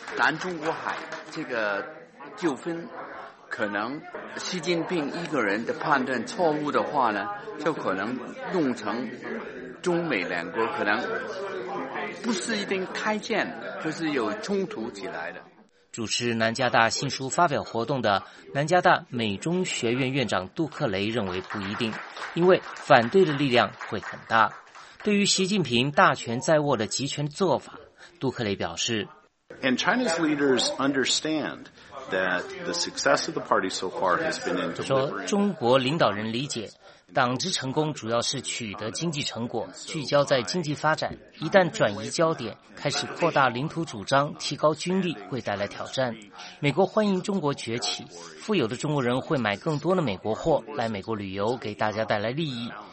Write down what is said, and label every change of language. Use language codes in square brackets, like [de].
[zh] 南中国海这个纠纷，可能习近平一个人的判断错误的话呢，就可能弄成中美两国可能不是一定开战，就是有冲突起来的。主持南加大新书发表活动的南加大美中学院院长杜克雷认为不一定，因为反对的力量会很大。对于习近平大权在握的集权做法，杜克雷表示， [en] And Chinese leaders understand that the success of the party so far has been in delivering. [zh] 说中国领导人理解，党之成功主要是取得经济成果，聚焦在经济发展，一旦转移焦点，开始扩大领土主张，提高军力，会带来挑战。美国欢迎中国崛起，富有的中国人会买更多的美国货，来美国旅游，给大家带来利益。